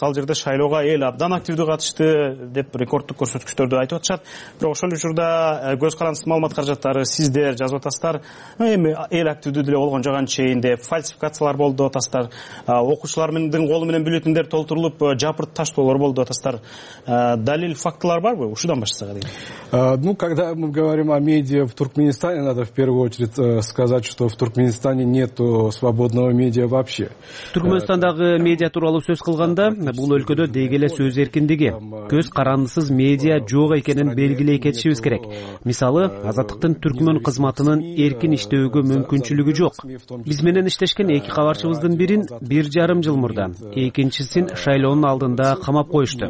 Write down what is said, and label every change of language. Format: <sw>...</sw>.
<ky>Ал жерде шайлоого эл абдан активдүү катышты деп рекордтук көрсөткүчтөрдү айтып атышат. Бирок ошол эле учурда көз карандысыз маалымат каражаттары сиздер жазып атасыздар. Эми эл активдүү деле болгон жок анчейин деп фальсификациялар болду деп атасыздар. Окуучулардын колу менен бюллетендер толтурулуп жапырып таштоолор болду деп атасыздар. Далил фактылар барбы ушудан башласак дейм.</ky> <ru>Когда мы говорим о медиа в Туркменистане, надо в первую очередь сказать, что в Туркменистане нету свободного медиа вообще.</ru> <ky>Түркмөнстандагы медиа тууралуу сөз кылганда, бул өлкөдө деги эле сөз эркиндиги, көз карандысыз медиа жок экенин белгилей кетишибиз керек. Мисалы, Азаттыктын түркмөн кызматынын эркин иштөөгө мүмкүнчүлүгү жок. Биз менен иштешкен эки кабарчыбыздын бирин 1.5 жыл мурда, экинчисин шайлоонун алдында камап коюшту.</ky>